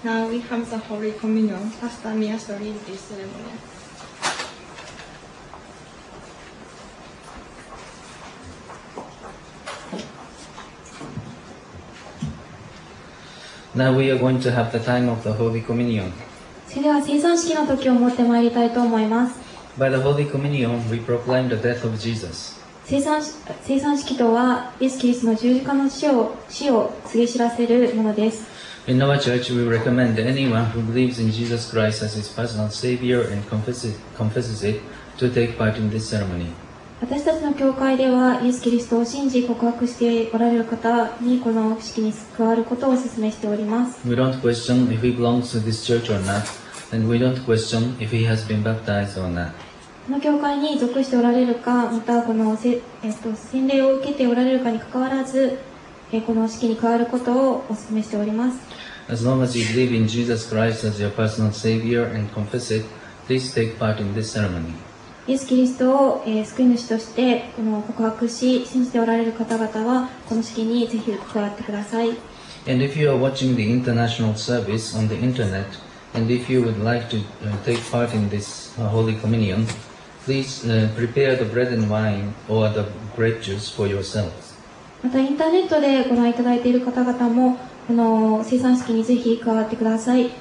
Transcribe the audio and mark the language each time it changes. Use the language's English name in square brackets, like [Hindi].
[English] becomes a holy communion, pasta, mia, solidity ceremony. Now we are going to have the time of the Holy Communion. [Japanese] それでは聖餐式の時を持ってまいりたいと思います。 [English] By the Holy Communion, we proclaim the death of Jesus. [Japanese] 聖餐式とは、イエス・キリストの十字架の死を告げ知らせるものです。 [English] In our church, we recommend that anyone who believes in Jesus Christ as his personal Savior and confesses it to take part in this ceremony. [Japanese] 私たちの教会ではイエス・キリストを信じ告白しておられる方にこの式に加わることをお勧めしております。 [English] We don't question if he belongs to this church or not, and we don't question if he has been baptized or not. [Japanese] この教会に属しておられるか、またこの洗礼を受けておられるかに関わらず、この式に加わることをお勧めしております。 [English] As long as you believe in Jesus Christ as your personal Savior and confess it, please take part in this ceremony. [Japanese] イエス・キリストを救い主としてこの告白し信じておられる方々はこの式にぜひ加わってください。 [English] And if you are watching the international service on the internet, and if you would like to take part in this Holy Communion, please prepare the bread and wine or the grape juice for yourselves. [Japanese] またインターネットでご覧いただいている方々もこの聖餐式にぜひ加わってください。